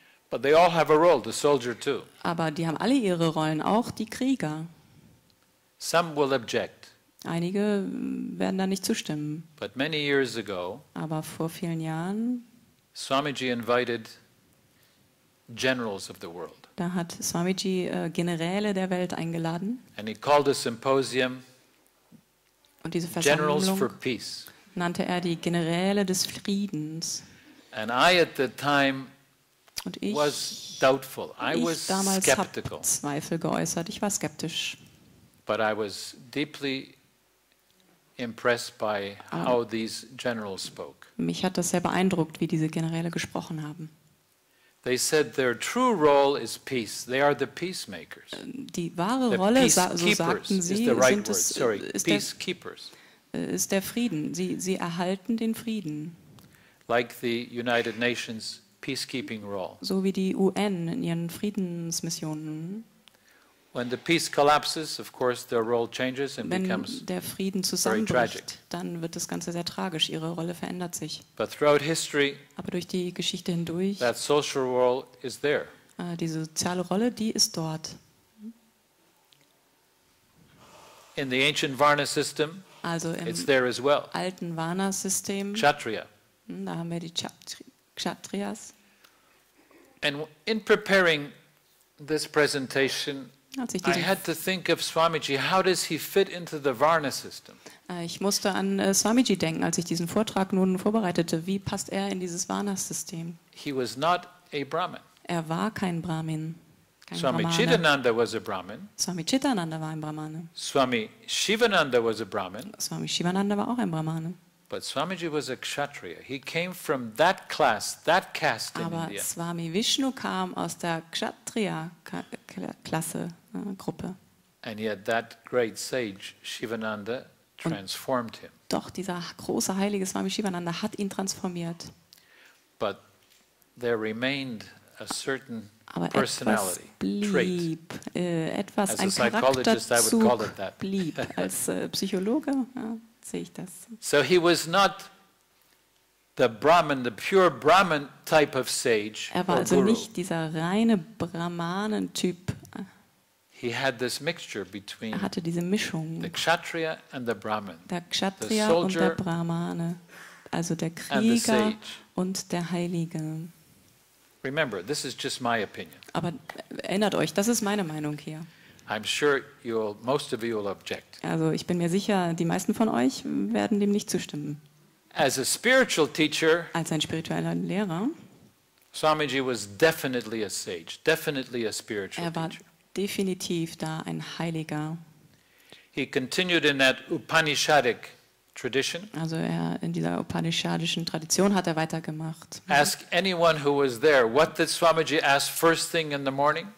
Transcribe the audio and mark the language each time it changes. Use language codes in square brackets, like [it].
[en] But they all have a role, the soldier too. [de] Aber die haben alle ihre Rollen, auch die Krieger. [en] Some will object. [de] Einige werden da nicht zustimmen. [en] But many years ago, [de] aber vor vielen Jahren, [en] Swamiji invited generals of the world. [de] Da hat Swamiji Generäle der Welt eingeladen. [en] And he called a symposium, [de] und diese Versammlung, [en] Generals for Peace, [de] nannte er die Generäle des Friedens. [en] And I at the time [de] und ich, [en] was doubtful. I [de] ich [en] was [de] damals [en] skeptical. [de] Hab Zweifel geäußert. Ich war skeptisch. [en] But I was deeply impressed by how these generals spoke. [de] Mich hat das sehr beeindruckt, wie diese Generäle gesprochen haben. [en] They said their true role is peace. They are the peacemakers. [de] Die wahre Rolle, so sagten sie, [en] right [de] sind es, [en] sorry, peacekeepers. [de] Ist der Frieden. Sie erhalten den Frieden. [en] Like the United Nations peacekeeping role. [de] So wie die UN in ihren Friedensmissionen. [en] When the peace collapses, of course their role changes and [de] wenn [en] becomes [de] der Frieden zusammenbricht, dann wird das Ganze sehr tragisch. Ihre Rolle verändert sich. [en] But throughout history, [de] aber durch die Geschichte hindurch, [en] that social role is there. [de] Die soziale Rolle, die ist dort. [en] In the ancient Varna system, [de] also im [en] it's there as well. [de] Alten Varna-System, [en] Kshatriya. [de] Da haben wir die Kshatriyas. [en] And in preparing this presentation, I had to think of Swamiji. How does he fit into the Varna system? [de] Ich musste an Swamiji denken, als ich diesen Vortrag nun vorbereitete. Wie passt er in dieses Varna-System? [en] He was not a Brahmin. [de] Er war kein Brahmin. [en] Swami Chidananda was a Brahmin. [de] Swami Chidananda war ein Brahmane. [en] Swami Shivananda was a Brahmin. [de] Swami Shivananda war auch ein Brahmane. [en] But Swamiji was a Kshatriya. He came from that class, that caste in [de] aber [en] India. [de] Aber Swami Vishnu kam aus der Kshatriya-Klasse, Gruppe. [en] And yet that great sage Shivananda transformed him. [de] Doch dieser große heilige Swami Shivananda hat ihn transformiert. [en] But there remained a certain [de] aber [en] personality [de] blieb, [en] trait. [de] Etwas [en] as a psychologist, I would call it that. [de] Blieb als Psychologe. Ja. [en] So he was not the Brahmin, the pure Brahmin type of sage. [de] Er war also nicht dieser reine Brahmanentyp. [en] He had this mixture between [de] er hatte diese Mischung. [en] The Kshatriya and the Brahmin. [de] Der Kshatriya und der Brahmane, also der Krieger und der Heilige. [en] Remember, this is just my opinion. [de] Aber erinnert euch, das ist meine Meinung hier. [en] I'm sure you'll, most of you will object. [de] Also ich bin mir sicher, die meisten von euch werden dem nicht zustimmen. [en] As a spiritual teacher, [de] als ein spiritueller Lehrer, [en] Swamiji was definitely a sage, definitely a spiritual [de] teacher. Er war definitiv da ein Heiliger. [en] He continued in that Upanishadic tradition. [de] Also er in dieser upanishadischen Tradition hat er weitergemacht. [en] Ask anyone who was there, what did Swamiji ask first thing in the morning?